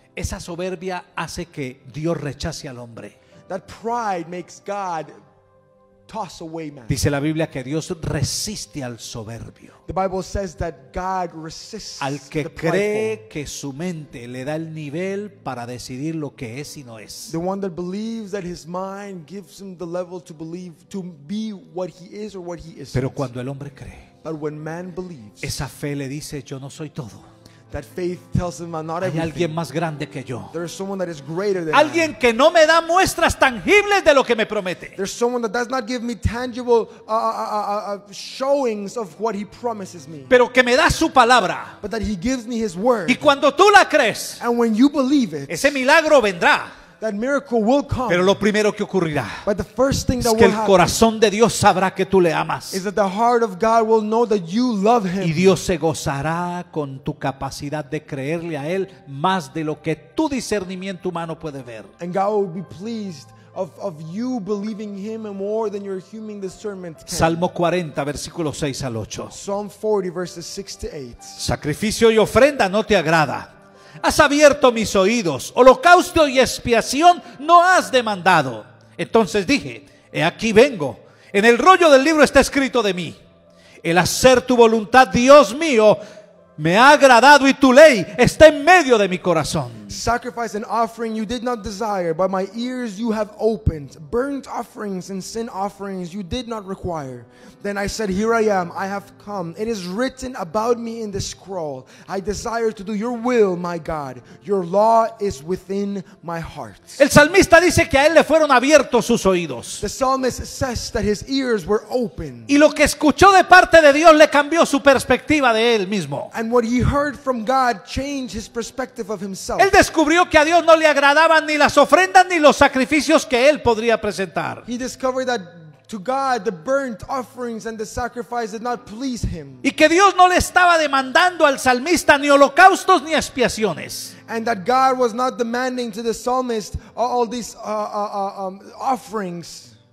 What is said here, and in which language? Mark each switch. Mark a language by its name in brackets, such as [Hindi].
[Spanish] Esa soberbia hace que Dios rechace al hombre. [English] That pride makes God toss away man. [Spanish] Dice la Biblia que Dios resiste al soberbio. [English] The Bible says that God resists. [Spanish] Al que cree que su mente le da el nivel para decidir lo que es y no es. [English] The one that believes that his mind gives him the level to believe to be what he is or what he isn't. [Spanish] Pero cuando el hombre cree, [English] but when man believes, [Spanish] esa fe le dice yo no soy todo. [English] That faith tells him I'm not everything. [Spanish] Hay alguien más grande que yo. [English] There is someone that is greater than [Spanish] alguien [English] I. [Spanish] Que no me da muestras tangibles de lo que me promete. [English] There's someone that does not give me tangible showings of what he promises me. [Spanish] Pero que me da su palabra. [English] But that he gives me his word. [Spanish] Y cuando tú la crees, [English] and when you believe it, [Spanish] ese milagro vendrá. [English] That miracle will come. [Spanish] Pero lo primero que ocurrirá, [English] but the first thing that [Spanish] es que [English] will [Spanish] el corazón de Dios sabrá que tú le amas. [English] Is that the heart of God will know that you love him. [Spanish] Y Dios se gozará con tu capacidad de creerle a él más de lo que tu discernimiento humano puede ver. [English] And God will be pleased of you believing him more than your human discernment can. [Spanish] Salmo 40, versículo 6 al 8. [English] Psalm 40, verses 6 to 8. [Spanish] Sacrificio y ofrenda no te agrada. Has abierto mis oídos, holocausto y expiación no has demandado. Entonces dije, he aquí vengo, en el rollo del libro está escrito de mí. El hacer tu voluntad, Dios mío, me ha agradado y tu ley está en medio de mi corazón. [English] Sacrifice and offering you did not desire, but my ears you have opened. Burnt offerings and sin offerings you did not require. Then I said, here I am, I have come. It is written about me in the scroll. I desire to do your will, my God. Your law is within my heart. [Spanish] El salmista dice que a él le fueron abiertos sus oídos. [English] The psalmist says that his ears were open. [Spanish] Y lo que escuchó de parte de Dios le cambió su perspectiva de él mismo. [English] And what he heard from God changed his perspective of himself. [Spanish] Él descubrió que a Dios no le agradaban ni las ofrendas ni los sacrificios que él podría presentar. [English] He discovered that to God the burnt offerings and the sacrifice did not please him. [Spanish] Y que Dios no le estaba demandando al salmista ni holocaustos ni expiaciones. [English] And that God was not demanding to the psalmist all these offerings.